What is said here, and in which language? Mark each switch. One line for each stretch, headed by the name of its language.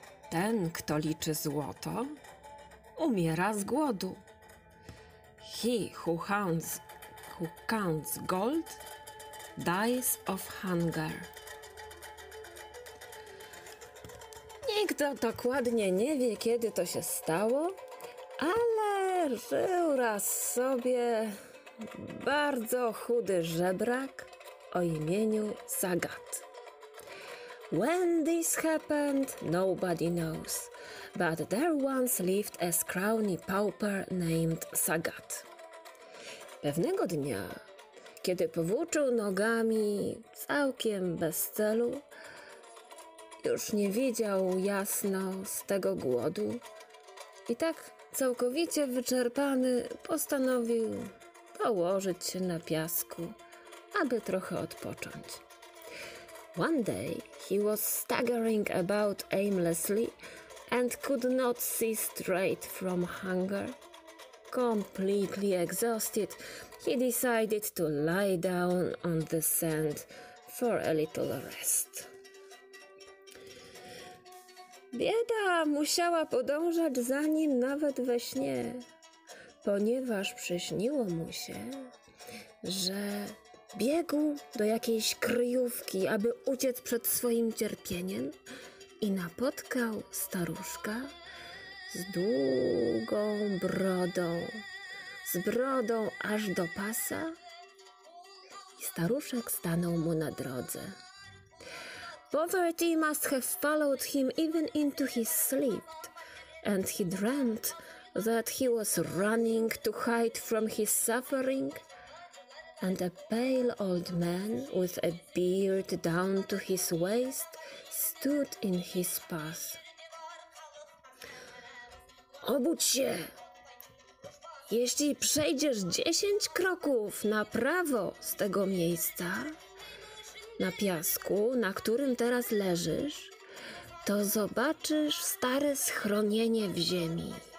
Polish: Ten, kto liczy złoto, umiera z głodu.
English: He who counts gold dies of hunger.
Polish: Nikt dokładnie nie wie, kiedy to się stało, ale żył raz sobie bardzo chudy żebrak o imieniu Zagat.
English: When this happened, nobody knows, but there once lived a scrawny pauper named Sagat.
Polish: Pewnego dnia, kiedy powłóczył nogami całkiem bez celu, już nie widział jasno z tego głodu i tak całkowicie wyczerpany postanowił położyć się na piasku, aby trochę odpocząć.
English: One day he was staggering about aimlessly and could not see straight from hunger. Completely exhausted, he decided to lie down on the sand for a little rest.
Polish: Bieda musiała podążać za nim nawet we śnie, ponieważ przyśniło mu się, że biegł do jakiejś kryjówki, aby uciec przed swoim cierpieniem i napotkał staruszka z długą brodą, z brodą aż do pasa i staruszek stanął mu na drodze.
English: Poverty must have followed him even into his sleep and he dreamt that he was running to hide from his suffering. And a pale old man with a beard down to his waist stood in his path.
Polish: Obudź się! Jeśli przejdziesz 10 kroków na prawo z tego miejsca, na piasku, na którym teraz leżysz, to zobaczysz stare schronienie w ziemi.